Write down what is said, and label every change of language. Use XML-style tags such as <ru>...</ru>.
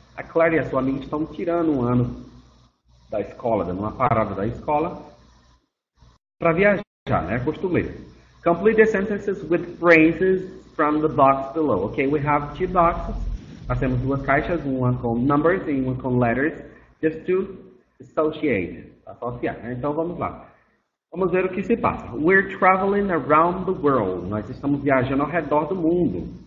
<pt>A Claire e a sua amiga estão tirando ano da escola, dando uma parada da escola para viajar, né? Costumeiro.</pt> <en>Complete the sentences with phrases from the box below. Okay, we have two boxes.</en> <pt>Nós temos duas caixas, uma com numbers e uma com letters,</pt> <en>just to associate,</en> <pt>associar. Então vamos lá. Vamos ver o que se passa.</pt> <en>We're traveling around the world.</en> <pt>Nós estamos viajando ao redor do mundo.</pt>